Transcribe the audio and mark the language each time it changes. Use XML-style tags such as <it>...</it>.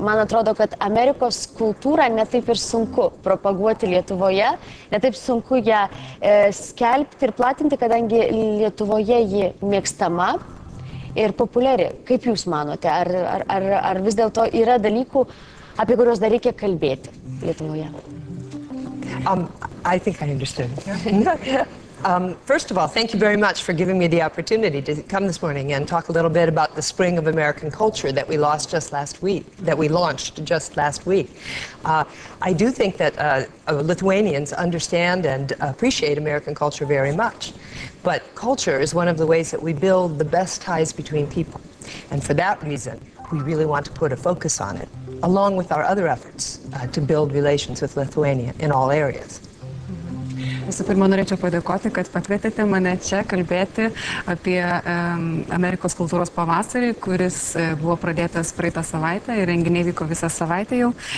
<lt>Man atrodo, kad Amerikos kultūrą netaip ir sunku propaguoti Lietuvoje, netaip sunku ją skelbti ir platinti, kadangi Lietuvoje ji mėgstama. Ir populiari, kaip jūs manote, ar vis dėlto yra dalykų, apie kuriuos dar reikia kalbėti Lietuvoje?</lt> <en>I think I understood. First of all, thank you very much for giving me the opportunity to come this morning and talk a little bit about the spring of American culture that we lost just last week, that we launched just last week. I do think that Lithuanians understand and appreciate American culture very much, but culture is one of the ways that we build the best ties between people, and for that reason, we really want to put a focus on it, along with our other efforts to build relations with Lithuania in all areas.</en> <lt>Visų pirma, norėčiau padėkoti, kad pakvietėte mane čia kalbėti apie Amerikos kultūros pavasarį, kuris buvo pradėtas praeitą savaitę ir renginiai vyko visą savaitę jau.</lt>